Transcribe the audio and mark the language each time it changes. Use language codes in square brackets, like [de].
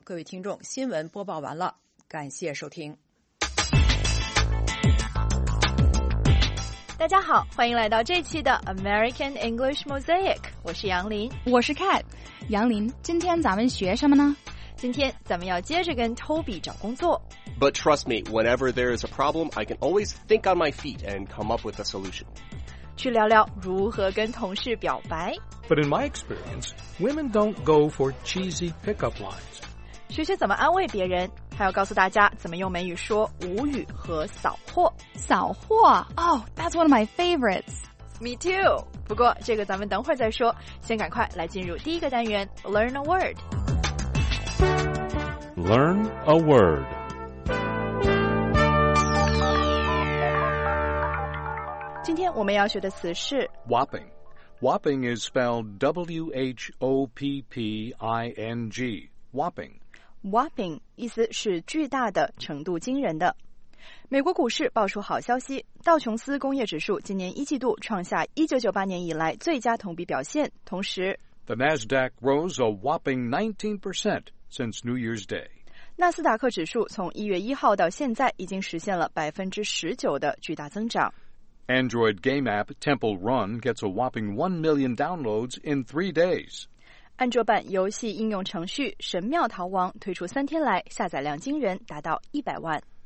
[zh] 各位听众，新闻播报完了，感谢收听。大家好，欢迎来到这期的 American English Mosaic， 我是杨林。我是 Kat。杨林，今天咱们学什么呢？今天咱们要接着跟 Toby 找工作。 [en] But trust me, whenever there is a problem, I can always think on my feet and come up with a solution. [zh] 去聊聊如何跟同事表白。 [en] But in my experience, women don't go for cheesy pickup lines. [zh] 学学怎么安慰别人，还要告诉大家怎么用美语说无语和扫货。扫货？ [en] Oh, that's one of my favorites. Me too. [zh] 不过这个咱们等会儿再说，先赶快来进入第一个单元 [en] Learn a word. Learn a word. Today, [zh] 我们要学的词是 [en] whopping. Whopping is spelled W-H-O-P-P-I-N-G. Whopping. [zh] Whopping 意思是巨大的，程度惊人的。美国股市爆出好消息，道琼斯工业指数今年一季度创下1998年以来最佳同比表现，同时 [en] The Nasdaq rose a whopping 19% since New Year's Day. [zh] 纳斯达克指数从1月1号到现在已经实现了 19% 的巨大增长。 [en] Android game app Temple Run gets a whopping 1 million downloads in 3 days. [zh] 安卓版游戏应用程序《神庙逃亡》推出三天来，下载量惊人，达到100万。